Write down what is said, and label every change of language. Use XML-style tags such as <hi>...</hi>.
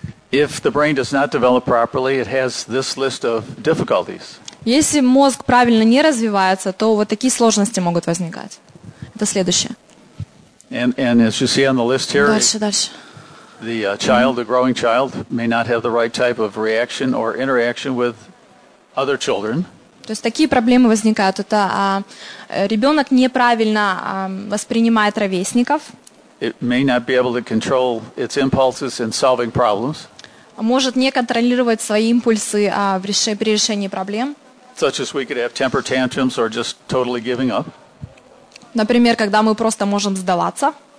<en>If the brain does not develop properly, it has this list of difficulties.</en> <ru>Если мозг правильно не развивается, то вот такие сложности могут возникать. Это следующее.</ru> <en>And as you see on the list here,</en> <ru>дальше.</ru> <en>The child, the growing child, may not have the right type of reaction or interaction with other children.</en> <ru>То есть такие проблемы возникают. Это ребенок неправильно воспринимает ровесников.</ru> <en>It may not be able to control its impulses in solving problems.</en> <ru>Может не контролировать свои импульсы при решении проблем.</ru> <en>Such as we could have temper tantrums or just totally giving up.</en> <ru>Например, когда мы просто можем сдаваться.</ru>